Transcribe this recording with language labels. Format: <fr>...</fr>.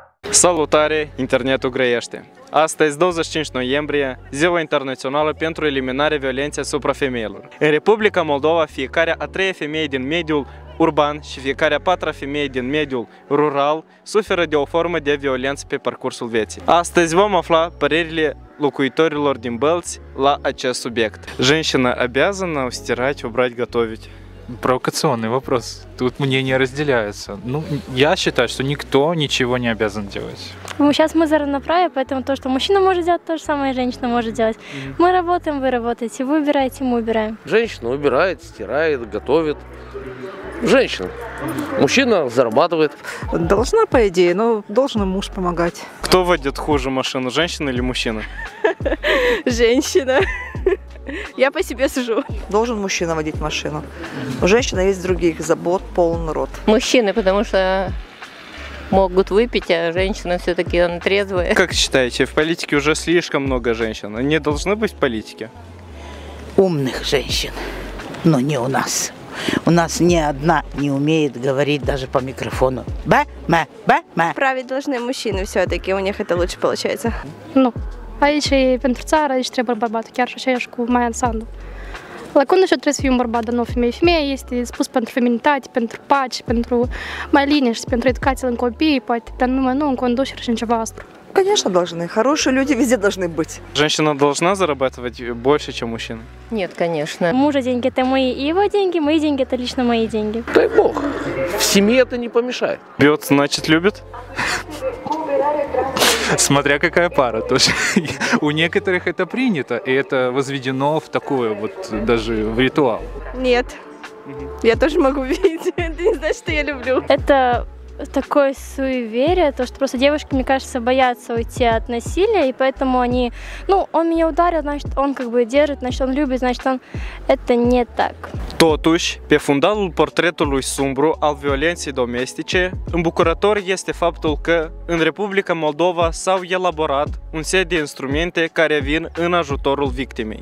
<ro>Salutare, internetul grăiește! Astăzi, 25 noiembrie, ziua internațională pentru eliminarea violenței asupra femeilor. În Republica Moldova, fiecare a treia femeie din mediul urban și fiecare a patra femeie din mediul rural suferă de o formă de violență pe parcursul vieții. Astăzi vom afla părerile locuitorilor din Bălți la acest subiect.</ro> <ru>Женщина обязана стирать, убрать, готовить? Провокационный вопрос. Тут мнения разделяются. Ну, я считаю, что никто ничего не обязан делать. Сейчас мы за равноправие, поэтому то, что мужчина может делать, то же самое и женщина может делать. Мы работаем, вы работаете, вы убираете, мы убираем. Женщина убирает, стирает, готовит. Женщина. Мужчина зарабатывает. Должна, по идее, но должен муж помогать. Кто водит хуже машину, женщина или мужчина? Женщина. Я по себе сужу. Должен мужчина водить машину. У женщины есть других забот, полон рот. Мужчины, потому что могут выпить, а женщина все-таки она трезвая. Как считаете, в политике уже слишком много женщин? Не должны быть в политике? Умных женщин, но не у нас. У нас ни одна не умеет говорить даже по микрофону. Бэ-мэ-бэ-мэ. Править должны мужчины все-таки, у них это лучше получается. Ну.</ru> <ro>Aici e pentru țară, aici trebuie bărbatul, chiar și așa ești cu Maia Sandu. La Condeșa trebuie să fie un bărbat, dar nu o femeie. Femeia este spus pentru feminitate, pentru pace, pentru mai liniște, pentru educație în copii, poate, dar numai nu în conducere și în ceva aspru.</ro> <ru>Конечно, должны. Хорошие люди везде должны быть. Женщина должна зарабатывать больше, чем мужчина? Нет, конечно. Мужа деньги – это мои, и его деньги, мои деньги – это лично мои деньги. Дай бог, в семье это не помешает. Бьет, значит, любит? Смотря какая пара тоже. У некоторых это принято, и это возведено в такое вот даже в ритуал. Нет, я тоже могу бить, это не значит, что я люблю. Это такое суеверие, то что просто девушки, мне кажется, боятся уйти от насилия, и поэтому они, ну, он меня ударил, значит, он как бы держит, значит, он любит, значит, он... Это не так.</ru> <ro>Totuși, pe fundalul portretului sumbru al violenței domestice, îmbucurător este faptul că în Republica Moldova s-au elaborat un set de instrumente care vin în ajutorul victimei.</ro>